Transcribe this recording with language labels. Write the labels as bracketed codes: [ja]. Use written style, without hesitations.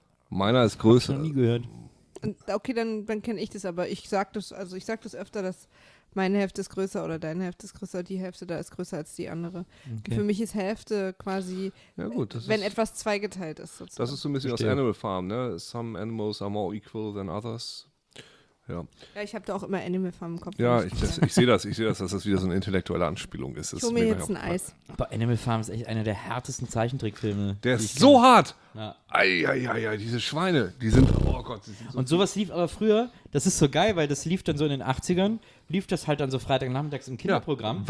[de] Meiner ist größer. Hab ich noch nie gehört. Und, okay, dann kenne ich das, aber ich sag das öfter, dass meine Hälfte ist größer oder deine Hälfte ist größer, die Hälfte da ist größer als die andere. Okay. Für mich ist Hälfte quasi, ja gut, wenn etwas zweigeteilt ist. Sozusagen. Das ist so ein bisschen aus Animal Farm, ne? [en] Some animals are more equal than others. [de] Ja, ja, ich habe da auch immer Animal Farm im Kopf. Ja, ich sehe das, dass das wieder so eine intellektuelle Anspielung ist. Ich hole mir jetzt ein Eis. Aber Animal Farm ist echt einer der härtesten Zeichentrickfilme. Der ist so hart! Eieiei, ja. Diese Schweine, die sind, oh Gott. Sind so und sowas cool. Lief aber früher, das ist so geil, weil das lief dann so in den 80ern, lief das halt dann so Freitagnachmittags im Kinderprogramm.